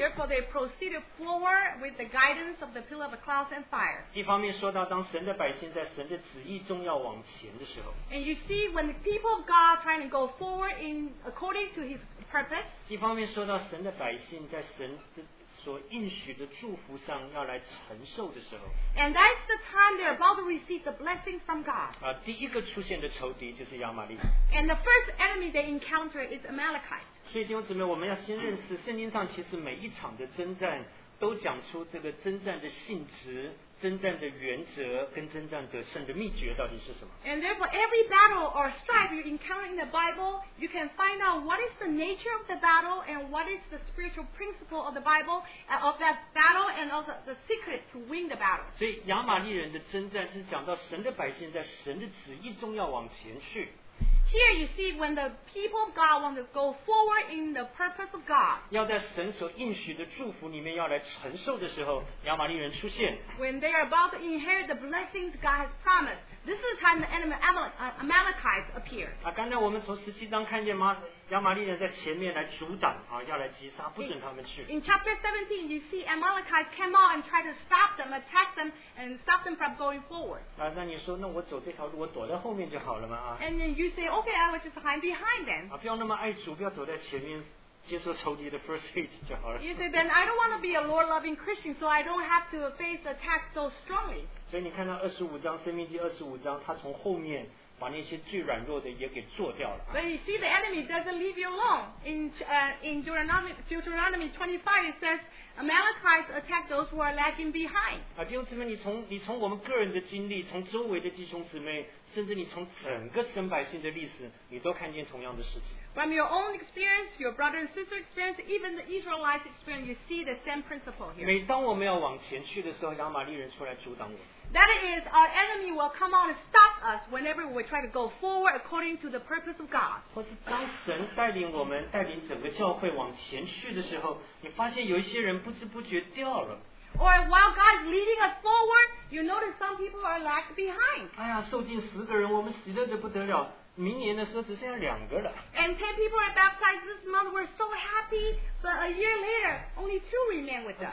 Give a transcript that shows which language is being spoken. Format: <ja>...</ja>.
<en>Therefore, they proceeded forward with the guidance of the pillar of cloud and fire.</en> <zh>一方面说到，当神的百姓在神的旨意中要往前的时候。</zh> <en>And you see, when the people of God trying to go forward in according to His purpose.</en> <zh>一方面说到神的百姓在神所应许的祝福上要来承受的时候。</zh> <en>And that's the time they're about to receive the blessing from God.</en> <zh>第一个出现的仇敌就是亚玛利。</zh> <en>And the first enemy they encounter is Amalekite.</en> <zh>所以弟兄姊妹，我们要先认识圣经上其实每一场的征战都讲出这个征战的性质、征战的原则跟征战得胜的秘诀到底是什么。</zh> <en>And therefore every battle or strife you encounter in the Bible, you can find out what is the nature of the battle and what is the spiritual principle of the Bible of that battle and also the secret to win the battle.</en> <zh>所以亚玛利人的征战是讲到神的百姓在神的旨意中要往前去。</zh> <en>Here you see when the people of God want to go forward in the purpose of God.</en> <zh>要在神所应许的祝福里面要来承受的时候，亚玛利人出现。</zh> <en>When they are about to inherit the blessings God has promised, this is the time the enemy Amalekites appear.</en> <zh>刚才我们从十七章看见吗？亚玛利人在前面来阻挡啊，要来击杀，不准他们去。</zh> <en>In chapter 17, you see Amalekites came out and tried to stop them, attack them, and stop them from going forward.</en> <zh>那你说，那我走这条路，我躲在后面就好了嘛啊</zh> <en>？And then you say, okay, I will just hide behind them.</en> <zh>不要那么爱主，不要走在前面，接受仇敌的</zh> <en>first hit</en> <zh>就好了。</zh> <en>You say, then I don't want to be a Lord-loving Christian, so I don't have to face attack so strongly.</en> <zh>所以你看到二十五章《生命记》二十五章，他从后面。把那些最软弱的也给做掉了。</zh> <en>But you see, the enemy doesn't leave you alone. In Deuteronomy 25, it says, Amalekites attack those who are lagging behind.</en> <zh>弟兄姊妹，你从我们个人的经历，从周围的弟兄姊妹，甚至你从整个神百姓的历史，你都看见同样的事情。</zh> <en>From your own experience, your brother and sister experience, even the Israelites experience, you see the same principle here.</en> <zh>每当我们要往前去的时候，亚玛利人出来阻挡我。</zh> <en>That is, our enemy will come on and stop us whenever we try to go forward according to the purpose of God.</en> <zh>或是当神带领我们带领整个教会往前去的时候，你发现有一些人不知不觉掉了。</zh> <en>Or while God is leading us forward, you notice some people are lagged behind.</en> <zh>哎呀，受尽十个人，我们喜乐得不得了。明年的时候只剩下两个了。</zh> <en>And 10 people are baptized this month. We're so happy. But a year later, only 2 remain with us.</en>